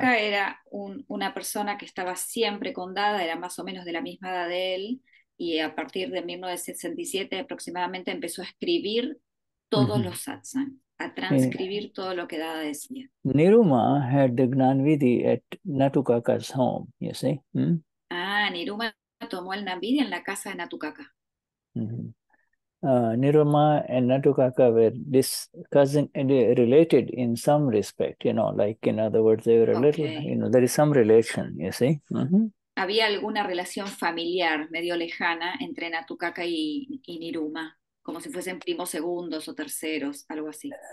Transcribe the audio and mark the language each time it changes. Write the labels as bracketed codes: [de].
[es] Natukaka era una persona que estaba siempre con Dada, era más o menos de la misma edad de él, y a partir de 1967 aproximadamente empezó a escribir todos los satsang, a transcribir todo lo que Dada decía. [en] Niruma had the Gnanvidhi at Natukaka's home, you see. [es] Ah, Niruma tomó el Gnanvidhi en la casa de Natukaka. [en] Niruma and Natukaka were this cousin related in some respect, you know, like in other words, they were a little, you know, there is some relation, you see. [es] Había alguna relación familiar medio lejana entre Natukaka y Niruma, como si fuesen primos segundos o terceros, algo así.